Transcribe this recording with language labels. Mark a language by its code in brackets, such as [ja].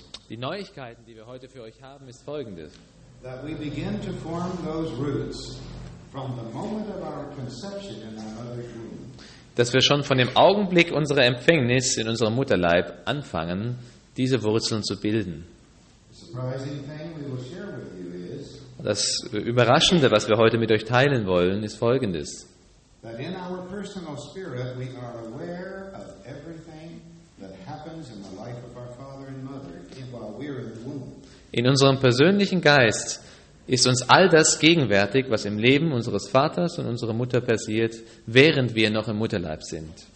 [de] Die Neuigkeiten, die wir heute für euch haben, ist folgende. [en] That we begin to form those roots from the moment of our conception in our mother's womb. [de] Dass wir schon von dem Augenblick unserer Empfängnis in unserem Mutterleib anfangen, diese Wurzeln zu bilden. [en] The surprising thing we will share with you is, [de] das Überraschende, was wir heute mit euch teilen wollen, ist folgendes. [en] That in our personal spirit we are aware of everything that happens in the life of our father and mother while we're in the womb. [de] In unserem persönlichen Geist ist uns all das gegenwärtig, was im Leben unseres Vaters und unserer Mutter passiert, während wir noch im Mutterleib sind.